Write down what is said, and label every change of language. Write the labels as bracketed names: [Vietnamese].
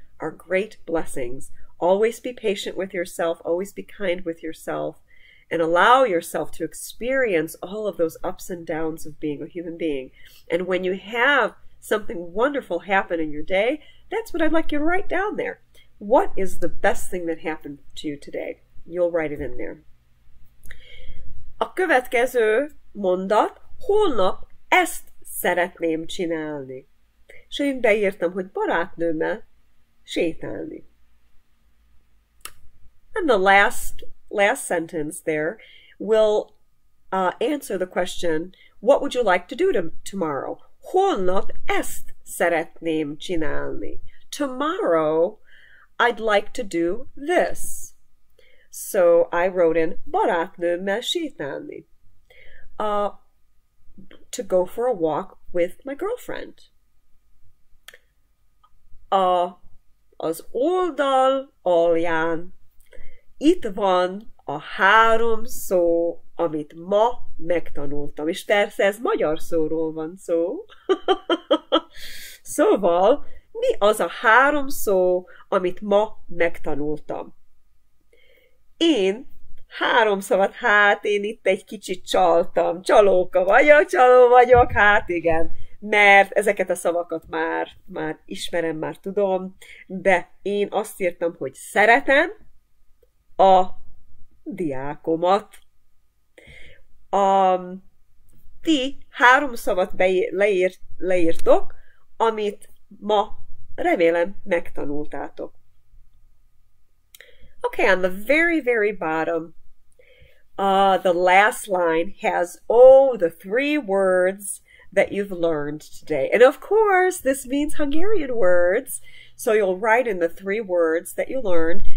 [English] are great blessings. Always be patient with yourself, always be kind with yourself, and allow yourself to experience all of those ups and downs of being a human being. And when you have something wonderful happen in your day, that's what I'd like you to write down there. What is the best thing that happened to you today? You'll write it in there. [Hungarian] A következő mondat, holnap ezt szeretném csinálni. És én beírtam, hogy barátnőmmel sétálni. [English] And the last sentence there will answer the question, what would you like to do tomorrow? [Hungarian] Holnap ezt szeretném csinálni. [English] Tomorrow, I'd like to do this. So I wrote in, [Hungarian] barátnőmmel sétálni. [English] To go for a walk with my girlfriend. [Hungarian] Az oldal alján itt van a három szó, amit ma megtanultam. És persze ez magyar szóról van szó. Szóval, mi az a három szó, amit ma megtanultam? Én három szavat, hát én itt egy kicsit csaltam. Csalóka vagyok, csaló vagyok, hát igen. Mert ezeket a szavakat már ismerem, már tudom, de én azt írtam, hogy szeretem a diákomat. Ti három szavat leírtok, amit ma remélem megtanultátok. [English] Okay, on the very, very bottom, the last line has, the three words that you've learned today. And of course, this means Hungarian words. So you'll write in the three words that you learned.